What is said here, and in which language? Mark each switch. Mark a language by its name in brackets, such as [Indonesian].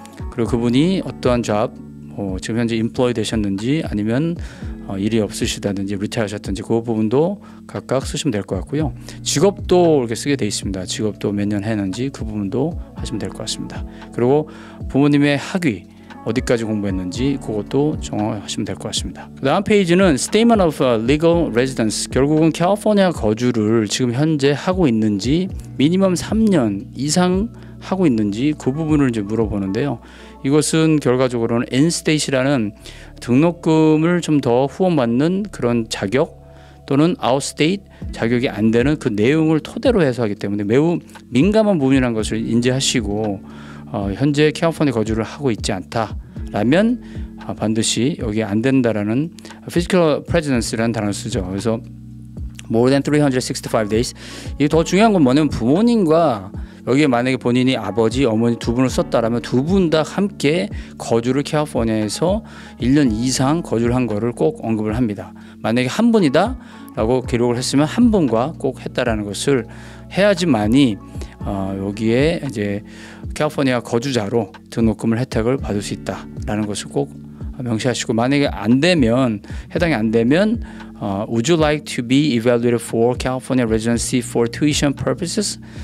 [Korean] 그리고 그분이 어떠한 job, 지금 현재 employed 되셨는지 아니면 일이 없으시다든지 retire 하셨든지 그 부분도 각각 쓰시면 될 것 같고요. 직업도 이렇게 쓰게 돼 있습니다. 직업도 몇 년 했는지 그 부분도 하시면 될 것 같습니다. 그리고 부모님의 학위 어디까지 공부했는지 그것도 정하시면 될 것 같습니다. 그 다음 페이지는 Statement of Legal Residence. 결국은 캘리포니아 거주를 지금 현재 하고 있는지 미니멈 3년 이상 하고 있는지 그 부분을 이제 물어보는데요. 이것은 결과적으로는 In-State이라는 등록금을 좀 더 후원받는 그런 자격 또는 Out-State 자격이 안 되는 그 내용을 토대로 해서 하기 때문에 매우 민감한 부분이라는 것을 인지하시고 현재 캘리포니아 거주를 하고 있지 않다라면 반드시 여기 안 된다라는 physical presence라는 단어를 쓰죠. 그래서 [English] more than 365 days. [Korean] 이게 더 중요한 건 뭐냐면 부모님과 여기에 만약에 본인이 아버지, 어머니 두 분을 썼다라면 두 분 다 함께 거주를 캘리포니아에서 1년 이상 거주를 한 거를 꼭 언급을 합니다. 만약에 한 분이다 라고 기록을 했으면 한 분과 꼭 했다라는 것을 해야지만이 여기에 이제 캘리포니아 거주자로 등록금을 혜택을 받을 수 있다라는 것을 꼭 명시하시고 만약에 안 되면 해당이 안 되면 [English] Would you like to be evaluated for California residency for tuition purposes?